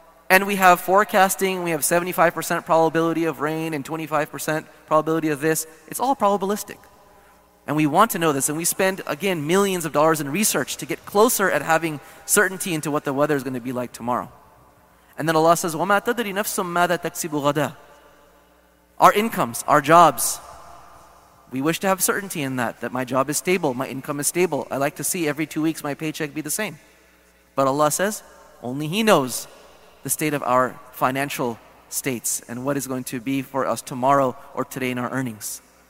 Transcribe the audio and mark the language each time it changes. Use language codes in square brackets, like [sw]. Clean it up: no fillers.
[en] And we have forecasting, we have 75% probability of rain and 25% probability of this. It's all probabilistic. And we want to know this, and we spend, again, millions of dollars in research to get closer at having certainty into what the weather is going to be like tomorrow. And then Allah says, [ar] وَمَا تَدْرِي نَفْسٌ مَّاذَا تَكْسِبُ غَدًا. [en] Our incomes, our jobs, we wish to have certainty in that, that my job is stable, my income is stable. I like to see every 2 weeks my paycheck be the same. But Allah says, only He knows the state of our financial states and what is going to be for us tomorrow or today in our earnings.